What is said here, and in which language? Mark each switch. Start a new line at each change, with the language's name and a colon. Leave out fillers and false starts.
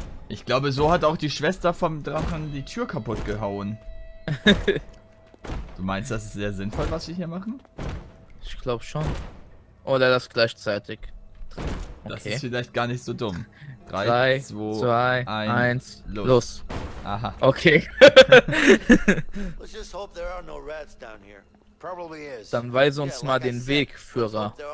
German: Ich glaube, so hat auch die Schwester vom Drachen die Tür kaputt gehauen. Du meinst, das ist sehr sinnvoll, was wir hier machen? Ich glaube schon. Oder das gleichzeitig. Okay. Das ist vielleicht gar nicht so dumm. 3, 2, 1, los. Aha. Okay.
English: Let's just hope there are no rats down here. Probably is.
German: Dann weise uns mal den Weg, Führer.